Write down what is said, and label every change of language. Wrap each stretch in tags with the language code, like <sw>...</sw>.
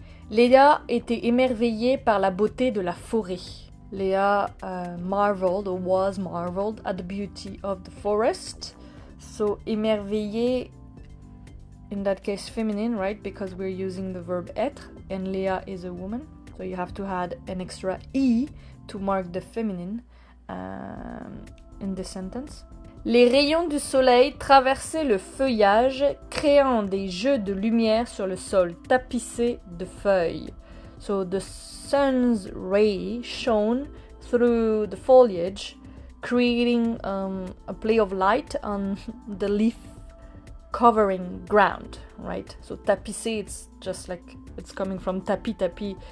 <fr>Léa était émerveillée par la beauté de la forêt.</fr> <en>Léa marveled, or was marveled, at the beauty of the forest. So, émerveillée, in that case feminine, right? Because we're using the verb être, and Léa is a woman. So you have to add an extra E to mark the feminine in the sentence.</en> <fr>Les rayons du soleil traversaient le feuillage, créant des jeux de lumière sur le sol tapissé de feuilles.</fr> <en>So the sun's ray shone through the foliage, creating a play of light on the leaf covering ground, right? So tapisser, it's just like, it's coming from tapis.</en>